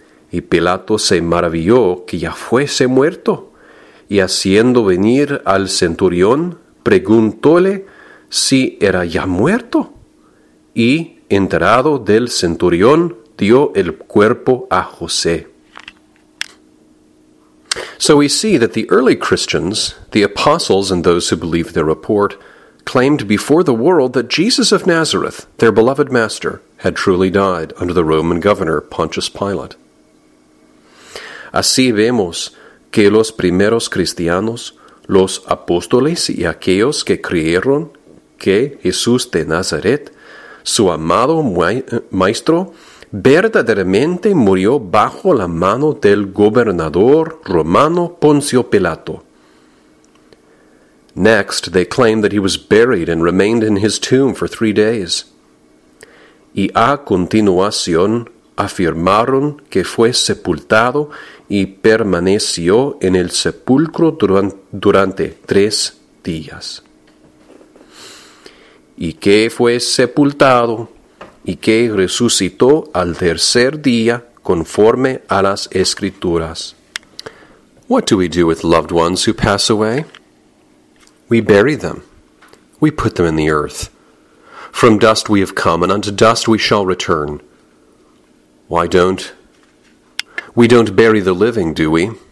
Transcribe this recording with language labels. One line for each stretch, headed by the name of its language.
Spanish: Y Pilato se maravilló que ya fuese muerto, y haciendo venir al centurión, preguntóle si era ya muerto, y enterado del centurión, dio el cuerpo a José.
English: So we see that the early Christians, the apostles and those who believed their report, claimed before the world that Jesus of Nazareth, their beloved master, had truly died under the Roman governor Pontius Pilate.
Spanish: Así vemos que los primeros cristianos, los apóstoles y aquellos que creyeron que Jesús de Nazaret, su amado maestro, verdaderamente murió bajo la mano del gobernador romano Poncio Pilato.
English: Next, they claimed that he was buried and remained in his tomb for 3 days.
Spanish: Y a continuación, afirmaron que fue sepultado y permaneció en el sepulcro durante 3 días. Y que fue sepultado y que resucitó al tercer día conforme a las Escrituras.
English: What do we do with loved ones who pass away? We bury them. We put them in the earth. From dust we have come, and unto dust we shall return. We don't bury the living, do we?